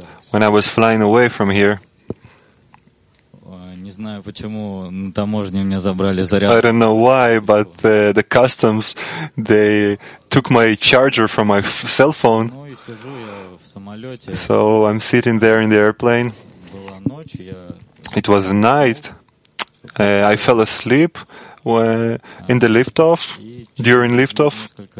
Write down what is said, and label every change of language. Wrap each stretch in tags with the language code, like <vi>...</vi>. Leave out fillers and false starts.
<en>When I was flying away from here,</en> <ru>не знаю, почему на таможне меня забрали заряд.</ru> <en>I don't know why, but the customs they took my charger from my cell phone.</en> <ru>Ну и сижу я в самолете.</ru> <en>So I'm sitting there in the airplane.</en> <ru>Была ночь, я.</ru> <en>It was night. I fell asleep in the liftoff during liftoff.</en>